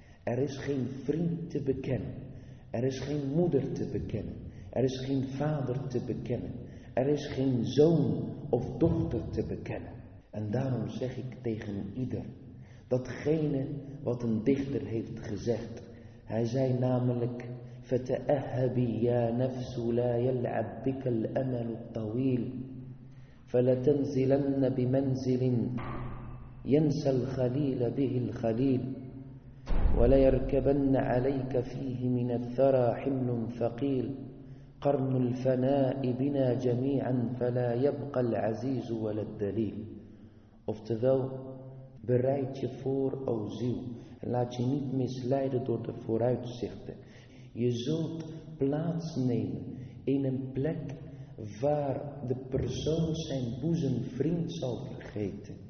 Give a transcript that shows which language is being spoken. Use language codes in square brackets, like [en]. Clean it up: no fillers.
[nl] Er is geen vriend te bekennen. Er is geen moeder te bekennen. Er is geen vader te bekennen. Er is geen zoon of dochter te bekennen. En daarom zeg ik tegen ieder, datgene wat een dichter heeft gezegd. Hij zei namelijk, [ar] فتأهبي يا نفس لا يلعب بك الأمل الطويل فلتنزلن بمنزل ينسى الخليل به الخليل وليركبن عليك فيه من الثرى حمل ثقيل قرن الفناء بنا جميعا فلا يبقى العزيز ولا الدليل. [nl] Oftewel, bereid je voor, o ziel, en laat je niet misleiden door de vooruitzichten. Je zult plaatsnemen in een plek waar de persoon zijn boezemvriend zal vergeten.